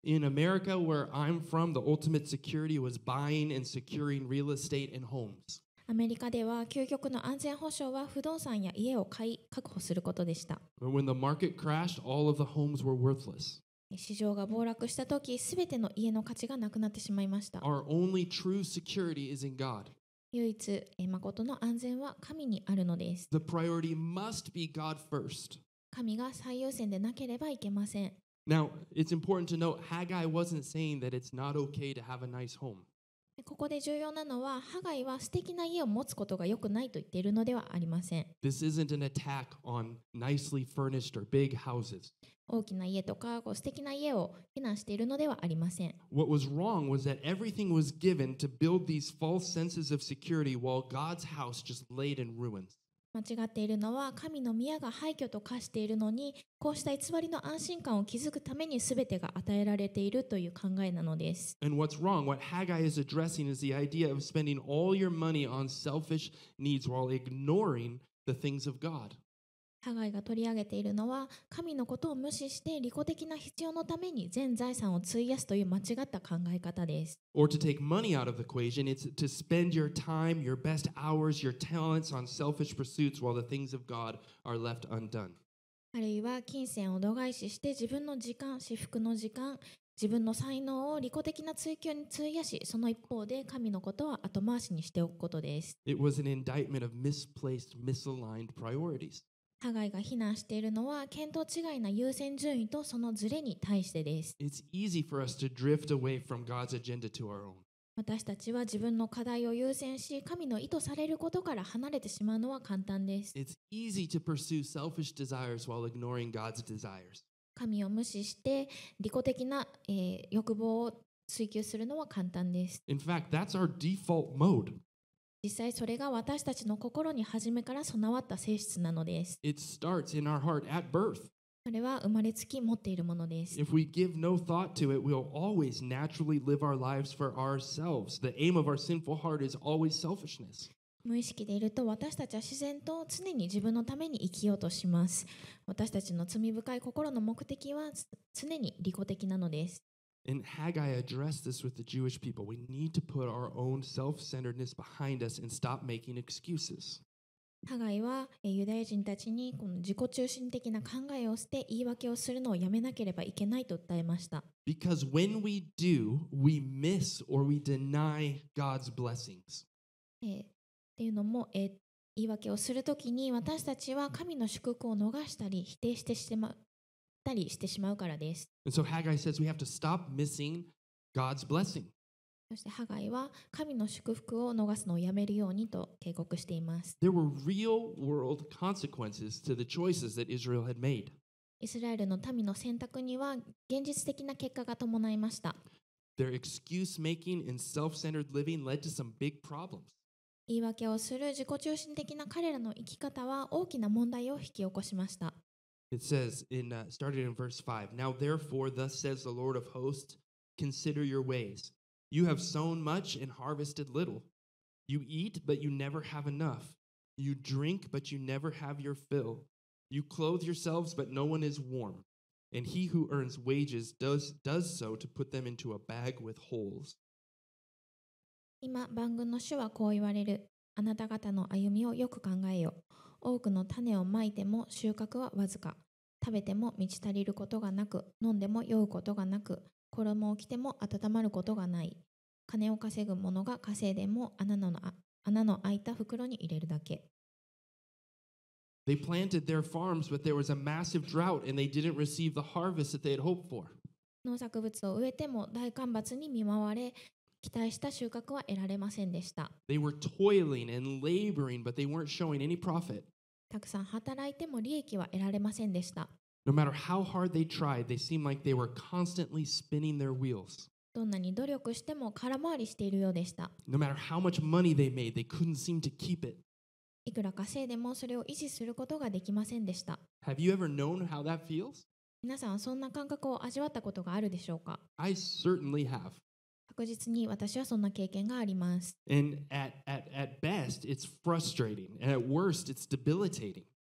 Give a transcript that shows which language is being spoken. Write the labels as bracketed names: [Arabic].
[English] In America, where I'm from, the ultimate security was buying and securing real estate and homes. [Japanese] アメリカでは究極の安全保障は不動産や家を買い確保することでした。 [English] But when the market crashed, all of the homes were worthless. [Japanese] 市場が暴落したとき、すべての家の価値がなくなってしまいました。 [English] Our only true security is in God. [Japanese] 唯一、誠の安全は神にあるのです。 [English] The priority must be God first. [Japanese] 神が最優先でなければいけません。 [English] Now, it's important to note, Haggai wasn't saying that it's not okay to have a nice home. [Japanese] ここで重要なのは、ハガイは素敵な家を持つことが良くないと言っているのではありません。 [English] This isn't an attack on nicely furnished or big houses. [Japanese] 大きな家とかこう素敵な家を避難しているのではありません。 [English] What was wrong was that everything was given to build these false senses of security while God's house just laid in ruins. [Japanese] 間違っているのは神の宮が廃墟と化しているのに、こうした偽りの安心感を築くために全てが与えられているという考えなのです。 [English] And what's wrong, what Haggai is addressing is the idea of spending all your money on selfish needs while ignoring the things of God. [Japanese] ハガイが取り上げているのは、神のことを無視して利己的な必要のために全財産を費やすという間違った考え方です。 [English] Or to take money out of the equation, it's to spend your time, your best hours, your talents on selfish pursuits while the things of God are left undone. [Japanese] あるいは金銭を度外視して自分の時間、至福の時間、自分の才能を利己的な追求に費やし、その一方で神のことは後回しにしておくことです。 [English] It was an indictment of misplaced, misaligned priorities. [Japanese] ハガイが非難しているのは、見当違いな優先順位とそのズレに対してです。 [English] It's easy for us to drift away from God's agenda to our own. [Japanese] 私たちは自分の課題を優先し、神の意図されることから離れてしまうのは簡単です。 [English] It's easy to pursue selfish desires while ignoring God's desires. [Japanese] 神を無視して、利己的な、欲望を追求するのは簡単です。 [English] In fact, that's our default mode. [Japanese] 実際それが私たちの心に初めから備わった性質なのです。 [English] It starts in our heart at birth. [Japanese] それは生まれつき持っているものです。 [English] If we give no thought to it, we'll always naturally live our lives for ourselves. The aim of our sinful heart is always selfishness. [Japanese] 無意識でいると私たちは自然と常に自分のために生きようとします。私たちの罪深い心の目的は常に利己的なのです。 [English] And Haggai addressed this with the Jewish people. We need to put our own self-centeredness behind us and stop making excuses. [Japanese] ハガイはユダヤ人たちにこの自己中心的な考えを捨て言い訳をするのをやめなければいけないと訴えました。 [English] Because when we do, we miss or we deny God's blessings. [Japanese] というのも、言い訳をするときに私たちは神の祝福を逃したり否定してしまったりしてしまうからです。 [English] And so Haggai says we have to stop missing God's blessing. [Japanese] そしてハガイは神の祝福を逃すのをやめるようにと警告しています。 [English] There were real world consequences to the choices that Israel had made. [Japanese] イスラエルの民の選択には現実的な結果が伴いました。 [English] Their excuse making and self-centered living led to some big problems. [Japanese] 言い訳をする自己中心的な彼らの生き方は大きな問題を引き起こしました。 [English] It says in, started in verse 5, Now therefore, thus says the Lord of hosts, consider your ways. You have sown much and harvested little. You eat, but you never have enough. You drink, but you never have your fill. You clothe yourselves, but no one is warm. And he who earns wages does so to put them into a bag with holes. [Japanese] 今、万軍の主はこう言われる。あなた方の歩みをよく考えよ。多くの種をまいても収穫はわずか。食べても満ち足りることがなく、飲んでも酔うことがなく。衣を着ても温まることがない。金を稼ぐ者が稼いでも穴の開いた袋に入れるだけ。 [English] They planted their farms, but there was a massive drought and they didn't receive the harvest that they had hoped for. [Japanese] 農作物を植えても大干ばつに見舞われ、期待した収穫は得られませんでした。 [English] They were toiling and laboring, but they weren't showing any profit. [Japanese] たくさん働いても利益は得られませんでした。 [English] No matter how hard they tried, they seemed like they were constantly spinning their wheels. [Japanese] どんなに努力しても空回りしているようでした。 [English] No matter how much money they made, they couldn't seem to keep it. [Japanese] いくら稼いでもそれを維持することができませんでした。 [English] Have you ever known how that feels? [Japanese] 皆さんはそんな感覚を味わったことがあるでしょうか? [English] I certainly have. [Japanese] 確実に私はそんな経験があります。 [English] And at best, it's frustrating. And at worst, it's debilitating.